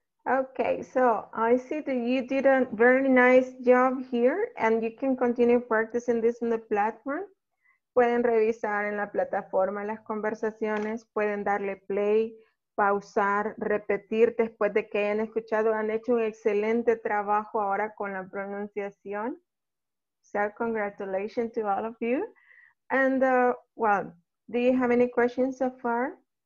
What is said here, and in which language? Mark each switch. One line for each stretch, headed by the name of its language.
English: Okay, so I see that you did a very nice job here and you can continue practicing this in the platform.
Spanish: Pueden revisar en la plataforma las conversaciones, pueden darle play, pausar, repetir después de que hayan escuchado. Han hecho un excelente trabajo ahora con la pronunciación.
English: So, congratulations to all of you. And, well, do you have any questions so far?